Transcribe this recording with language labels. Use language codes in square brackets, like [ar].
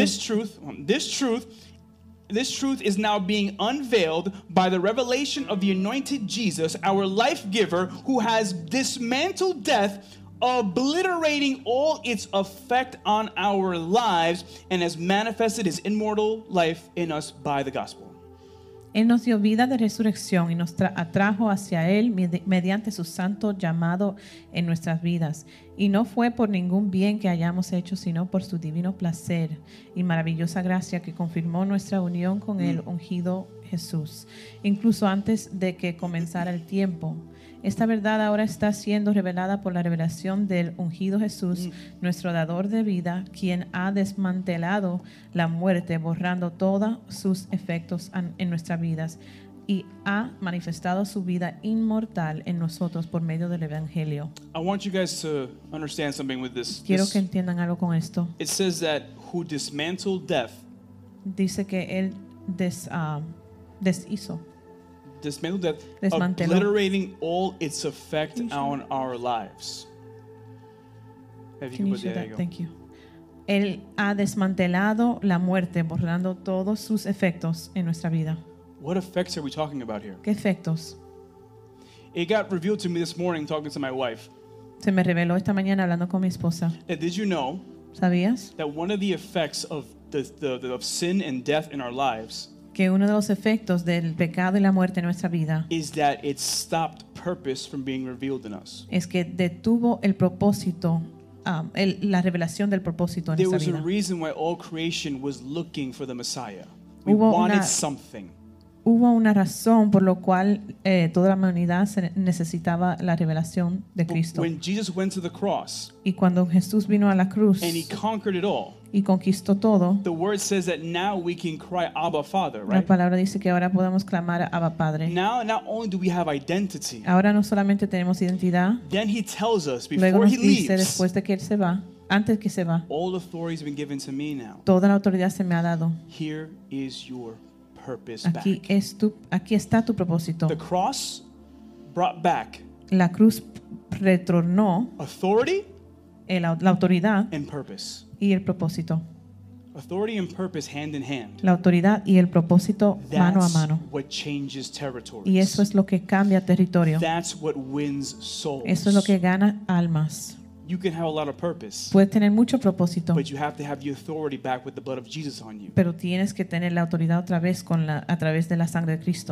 [en] This truth is now being unveiled by the revelation of the anointed Jesus, our life giver, who has dismantled death, obliterating all its effect on our lives, and has manifested his immortal life in us by the gospel. [es] Él nos dio vida de resurrección y nos atrajo hacia él mediante su santo llamado en nuestras vidas. Y no fue por ningún bien que hayamos hecho, sino por su divino placer y maravillosa gracia que confirmó nuestra unión con el ungido Jesús, incluso antes de que comenzara el tiempo. Esta verdad ahora está siendo revelada por la revelación del ungido Jesús, nuestro dador de vida, quien ha desmantelado la muerte, borrando todos sus efectos en nuestras vidas, y ha manifestado su vida inmortal en nosotros por medio del Evangelio. [en] I want you guys to understand something with this. [es] Quiero que entiendan algo con esto. [en] It says that who dismantled death. [es] Dice que él deshizo. [en] Dismantled death, obliterating all its effect on our lives. Thank you. [es] Él ha desmantelado la muerte, borrando todos sus efectos en nuestra vida. [en] What effects are we talking about here? [es] ¿Qué efectos? [en] It got revealed to me this morning talking to my wife. [es] Se me reveló esta mañana hablando con mi esposa. [en] And did you know? [es] ¿Sabías? [en] That one of the effects of the of sin and death in our lives. [es] Que uno de los efectos del pecado y la muerte en nuestra vida. [en] Is that it stopped purpose from being revealed in us. [es] Es que detuvo el propósito. La revelación del propósito en nuestra vida. [en] There was a reason why all creation was looking for the Messiah. We wanted something. [es] Hubo una razón por lo cual toda la humanidad necesitaba la revelación de Cristo. [en] When Jesus went to the cross, [es] y cuando Jesús vino a la cruz [en] and he conquered it all, [es] y conquistó todo, [en] the word says that now we can cry Abba Father, right? [es] La palabra dice que ahora podemos clamar a Abba Padre. [en] Now not only do we have identity, [es] ahora no solamente tenemos identidad, [en] then he tells us before [es] luego nos [en] he leaves, [es] dice después de que él se va, antes que se va, [en] all authority has been given to me now. [es] Toda la autoridad se me ha dado. [en] Here is your purpose [es] aquí [en] back. [es] Aquí está tu propósito. [en] The cross brought back. [es] La cruz retornó. [en] Authority. [es] La autoridad. [en] And purpose. [es] Y el propósito. [en] Authority and purpose hand in hand. [es] La autoridad y el propósito. [en] That's [es] mano a mano. [en] What changes territories. [es] Y eso es lo que cambia territorio. [en] That's what wins souls. [es] Eso es lo que gana almas. [en] You can have a lot of purpose. [es] Puedes tener mucho propósito. [en] But you have to have the authority back with the blood of Jesus on you. [es] Pero tienes que tener la autoridad otra vez a través de la sangre de Cristo.